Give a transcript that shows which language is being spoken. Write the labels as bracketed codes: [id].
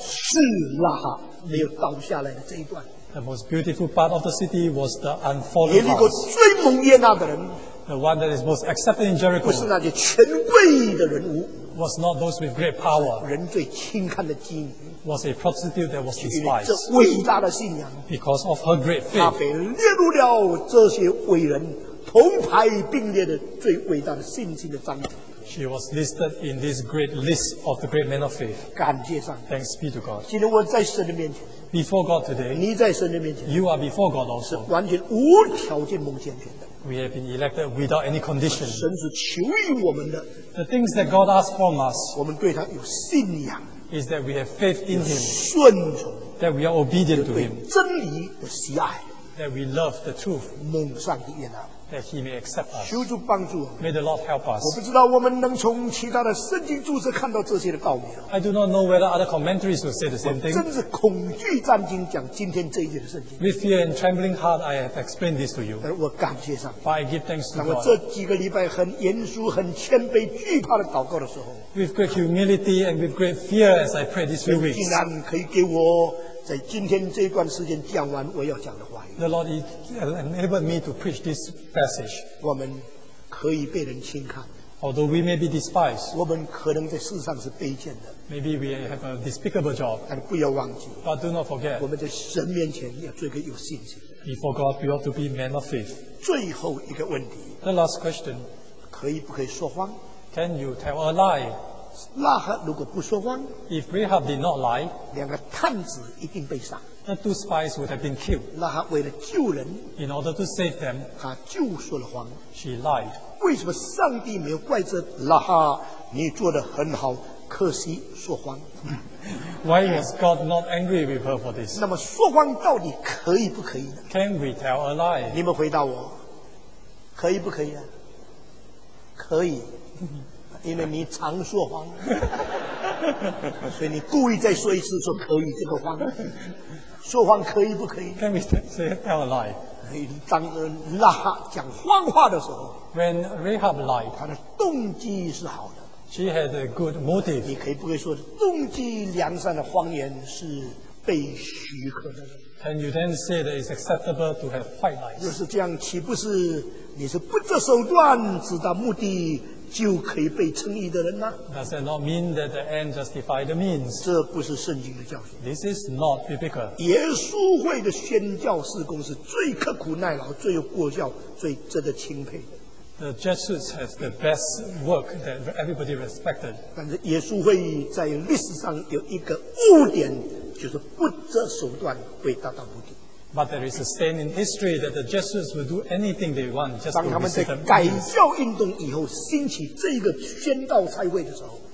[zh] 是拉哈没有倒下来的这一段。 [en] The most beautiful part of the city was the unfallen house. [zh] 耶利哥最蒙悦纳的人。 [en] The one that is most accepted in Jericho. [zh] 不是那些权贵的人物。 [en] Was not those with great power. [zh] 人最轻看的妓女。 [en] Was a prostitute that was despised. [zh] 这伟大的信仰。 [en] Because of her great faith. [zh] 她被列入了这些伟人同排并列的最伟大的信心的章节。 [en] She was listed in this great list of the great men of faith. [zh] 感谢上帝。 [en] Thanks be to God. [zh] 今天我在神的面前。 [en] Before God today. [zh] 你在神的面前。 [en] You are before God also. [zh] 是完全无条件蒙拣选的。 [en] We have been elected without any condition. [zh] 神是求于我们的。 [en] The things that God asks from us. [zh] 我们对他有信仰。 [en] Is that we have faith in him. [zh] 顺从。 [en] That we are obedient to him. [zh] 对真理的喜爱。 [en] That we love the truth. [zh] 蒙上帝悦纳。 [en] That he may accept us. [zh] 求主帮助我们。 [en] May the Lord help us. [zh] 我不知道我们能从其他的圣经注释看到这些的道理。 [en] I do not know whether other commentaries will say the same thing. [zh] 我真是恐惧战惊讲今天这一节的圣经。 [en] With fear and trembling heart, I have explained this to you. [zh] 但我感谢上帝。 [en] But I give thanks to God. [zh] 当我这几个礼拜很严肃、很谦卑、惧怕的祷告的时候， [en] With great humility and with great fear as I pray these few weeks. [zh] 竟然可以给我在今天这一段时间讲完我要讲的话。 [en] The Lord enabled me to preach this passage. [zh] 我们可以被人轻看。 [en] Although we may be despised. [zh] 我们可能在世上是卑贱的。 [en] Maybe we have a despicable job. [zh] 但不要忘记。 [en] But do not forget. [zh] 我们在神面前要做一个有信心。 [en] Before God, we ought to be men of faith. [zh] 最后一个问题。 [en] The last question. [zh] 可以不可以说谎？ [en] Can you tell a lie? [zh] 拉哈如果不说谎， [en] If Rahab did not lie, [zh] 两个探子一定被杀。 [en] The two spies would have been killed. [zh] 拉哈为了救人， [en] In order to save them, [zh] 她就说了谎。 [en] She lied. [zh] 为什么上帝没有怪责拉哈？你做得很好，可可惜说谎。 [en] Why was God not angry with her for this? [zh] 那么说谎到底可以不可以呢？ [en] Can we tell a lie? [zh] 你们回答我，可以不可以啊？可以，因为你常说谎，所以你故意再说一次说可以这个谎，说谎可以不可以？ [en] Can we tell a lie? [zh] 当拉哈讲谎话的时候 [en] ，When Rahab lied， [zh] 他的动机是好的。 [en] She had a good motive。 [zh] 你可以不可以说动机良善的谎言是被许可的 [en] ？Can you then say that it's acceptable to have white lies？ [zh] 若是这样，岂不是你是不择手段、直到目的就可以被称义的人呢 [en] ？Does that not mean that the end justifies the means？ [zh] 这不是圣经的教训。 [en] This is not biblical。 [zh] 耶稣会的宣教事工是最刻苦耐劳、最有果效、最值得钦佩的。 [en] The Jesuits have the best work that everybody respected。 [zh] 但是耶稣会在历史上有一个污点，就是不择手段为达到目的。 [en] But there is a stain in history that the Jesuits will do anything they want just to receive them. [zh] 当他们在改教运动以后兴起这个宣道差会的时候